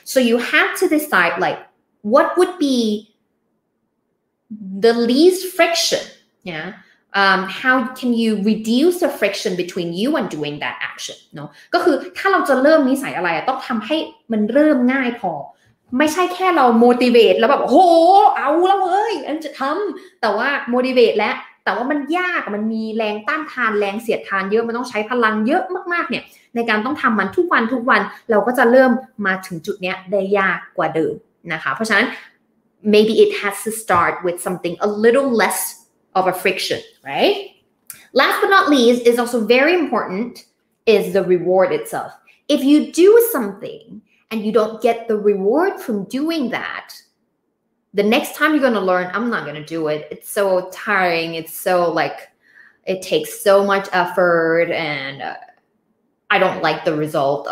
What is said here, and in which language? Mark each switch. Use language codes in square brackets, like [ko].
[en] So you have to decide like, what would be the least friction, yeah? How can you reduce the friction between you and doing that action? [th] No, ก็คือถ้าเราจะเริ่มนิสัยอะไรต้องทำให้มันเริ่มง่ายพอไม่ใช่แค่เรา motivate แล้วแบบโอ้เอาแล้วเอ้ยอันจะทำแต่ว่า motivate แล้วแต่ว่ามันยากมันมีแรงต้านทานแรงเสียดทานเยอะมันต้องใช้พลังเยอะมากๆเนี่ยในการต้องทำมันทุกวันเราก็จะเริ่มมาถึงจุดเนี้ยได้ยากกว่าเดิมนะคะเพราะฉะนั้น [en] maybe it has to start with something a little lessof a friction, right? Last but not least is also very important is the reward itself. If you do something and you don't get the reward from doing that, the next time you're going to learn, I'm not going to do it. It's so tiring. It's so like, it takes so much effort and I don't like the result.